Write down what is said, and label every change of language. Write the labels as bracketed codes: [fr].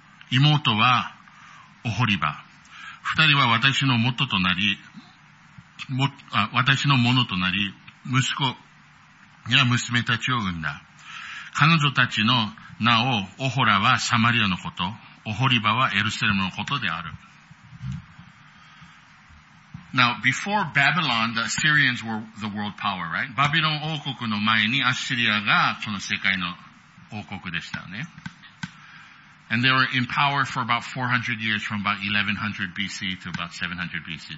[ja] 妹はおほりば。二人は私の元となり、私のものとなり、息子、いや娘たちを産んだ。彼女たちの名をオホラはサマリアのこと、オホリバはエルサレムのことである。 [en] Now, before Babylon, the Assyrians were the world power, right? [ja] バビロン王国の前にアッシリアがその世界の王国でしたね。 [en] And they were in power for about 400 years from about 1100 BC to about 700 BC.